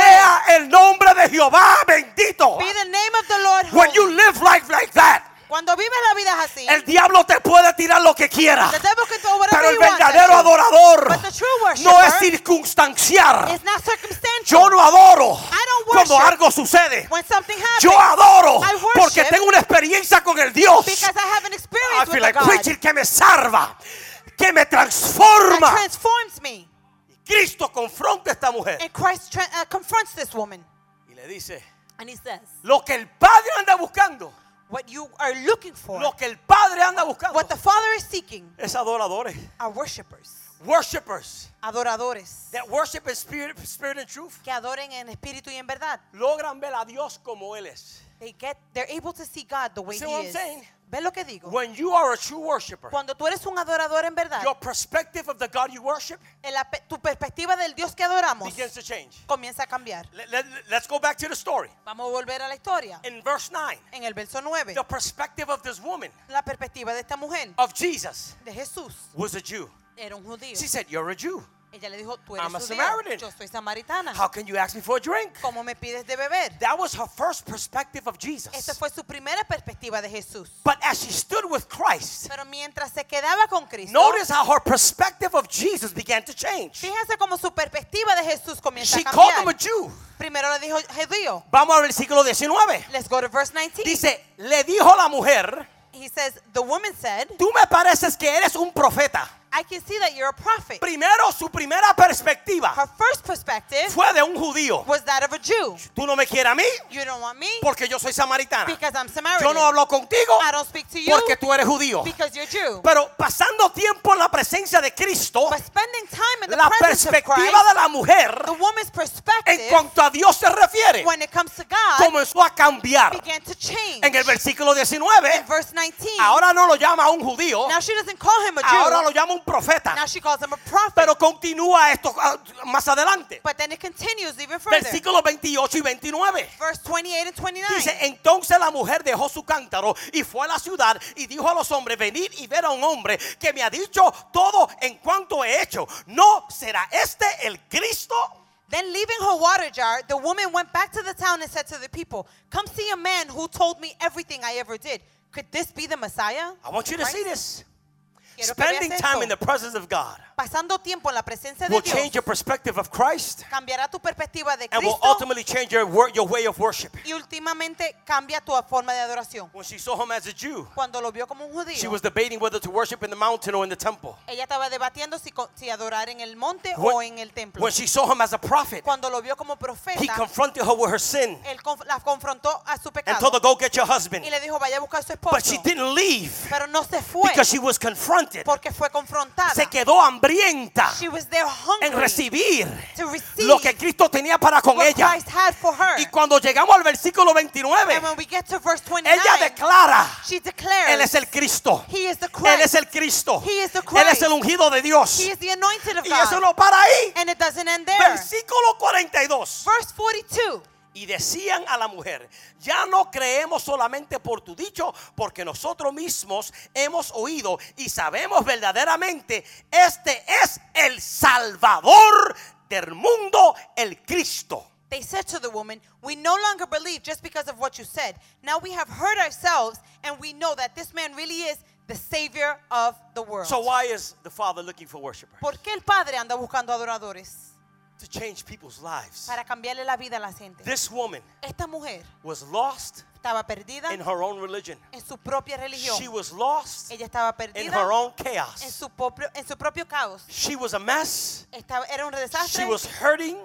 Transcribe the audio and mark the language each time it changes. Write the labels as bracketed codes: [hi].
[es] Sea el nombre de Jehová bendito. [en] Be the name of the Lord holy. When you live life like that. [es] Cuando vives la vida así. El diablo te puede tirar lo que quiera. [en] The devil can throw whatever [es] pero el verdadero adorador. [en] But the true worshiper. [es] No es circunstanciar. [en] It's not circumstantial. [es] Yo no adoro. [en] I don't worship. [es] Cuando algo sucede. [en] When something happens. [es] Yo adoro. [en] I worship. [es] Porque tengo una experiencia con el Dios. [en] Because I have an experience with God. I feel like [es] preaching que me salva. Que me transforma. [en] That transforms me. [es] Cristo confronta a esta mujer. [en] And Christ confronts this woman. [es] Y le dice. [en] And he says. [es] Lo que el padre anda buscando. [en] What you are looking for. [es] Lo que el padre anda buscando. [en] What the father is seeking. [es] Es adoradores. [en] Are worshipers. Worshippers. [es] Adoradores. [en] That worship in spirit and truth. [es] Que adoren en espíritu y en verdad. Logran ver a Dios como él es. [en] They're able to see God the way see he what is. I'm saying? [es] ¿Ves lo que digo? [en] When you are a true worshipper. [es] Cuando tú eres un adorador en verdad. [en] Your perspective of the God you worship. [es] Tu perspectiva del Dios que adoramos. [en] Begins to change. [es] Comienza a cambiar. [en] Let's go back to the story. [es] Vamos a volver a la historia. [en] In verse 9. [es] En el verso 9. [en] The perspective of this woman. [es] La perspectiva de esta mujer. [en] Of Jesus. [es] De Jesús. [en] Was a Jew. [es] Era un judío. [en] She said, "You're a Jew." [es] Ella le dijo, tú eres [en] I'm a Samaritan. [es] Yo soy samaritana. [en] How can you ask me for a drink? [es] ¿Cómo me pides de beber? [en] That was her first perspective of Jesus. [es] Esa fue su primera perspectiva de Jesús. [en] But as she stood with Christ, [es] pero mientras se quedaba con Cristo, [en] notice how her perspective of Jesus began to change. [es] Fíjense cómo su perspectiva de Jesús comienza [en] she [es] a cambiar. [en] She called him a Jew. [es] Primero le dijo, judío. Vamos al versículo 19. [en] Let's go to verse 19. [es] Dice, le dijo la mujer. [en] He says, the woman said, [es] tú me pareces que eres un profeta. [en] I can see that you're a prophet. [es] Primero, su primera perspectiva. [en] Her first perspective [es] fue de un judío. [en] Was that of a Jew. [es] Tú no me quieres a mí. [en] You don't want me. [es] Porque yo soy samaritana. [en] Because I'm Samaritan. [es] Yo no hablo contigo. [en] I don't speak to you. [es] Porque tú eres judío. [en] Because you're Jew. [es] Pero pasando tiempo en la presencia de Cristo. [en] But spending time in the presence of Christ. [es] La perspectiva de la mujer. [en] The woman's perspective. [es] En cuanto a Dios se refiere. [en] When it comes to God. [es] Comenzó a cambiar. [en] Began to change. [es] En el versículo 19. [en] In verse 19. [es] Ahora no lo llama un judío. [en] Now she doesn't call him a Jew. [es] Ahora lo llama un profeta. [en] Now she calls him a prophet. [es] Pero continúa esto más adelante. [en] But then it continues even further. [es] Versículo 28 y 29. [en] Verse 28 and 29. [es] Dice, entonces la mujer dejó su cántaro y fue a la ciudad y dijo a los hombres, venid y ver a un hombre que me ha dicho todo en cuanto he hecho. ¿No será este el Cristo? [en] Then leaving her water jar, the woman went back to the town and said to the people, come see a man who told me everything I ever did. Could this be the Messiah? I want you to see this. Spending time in the presence of God [es] pasando tiempo en la presencia de [en] will [es] Dios [en] change your perspective of Christ [es] cambiará tu perspectiva de Cristo [en] and will ultimately change your way of worship. [es] Y últimamente cambia tu forma de adoración. [en] When she saw him as a Jew, [es] cuando lo vio como un judío, [en] she was debating whether to worship in the mountain or in the temple. [es] Ella estaba debatiendo si adorar en el monte o en el templo. [en] When she saw him as a prophet, [es] cuando lo vio como profeta, [en] he confronted her with her sin. [es] Él la confrontó a su pecado [en] and told her, go get your husband. [es] Y le dijo, vaya a buscar a su esposo. [en] But she didn't leave, [es] pero no se fue, [en] because she was confronted. [es] Porque fue confrontada. Se quedó hambrienta. [en] She was there hungry [es] en recibir [en] to receive [es] lo que Cristo tenía para con [en] what [es] ella. [en] Christ had for her. [es] Y cuando llegamos al versículo 29, [en] and when we get to verse 29, [es] ella declara, [en] she declares, [es] él es el Cristo. [en] He is the Christ. [es] Él es el Cristo. [en] He is the Christ. [es] Él es el ungido de Dios. [en] He is the anointed of [es] y [en] God. [es] Eso no para ahí. [en] And it doesn't end there. [es] Versículo 42. [en] Verse 42. [es] Y decían a la mujer, ya no creemos solamente por tu dicho, porque nosotros mismos hemos oído y sabemos verdaderamente, este es el Salvador del mundo, el Cristo. [en] They said to the woman, we no longer believe just because of what you said. Now we have heard ourselves and we know that this man really is the Savior of the world. So why is the Father looking for worshipers? ¿Por qué el Padre anda buscando adoradores? To change people's lives. Para cambiarle la vida a la gente. This woman, esta mujer, was lost. Estaba perdida in her own religion. En su propia religión. She was lost. Ella estaba perdida in her own chaos. En su propio caos. She was a mess. Era un desastre. She was hurting.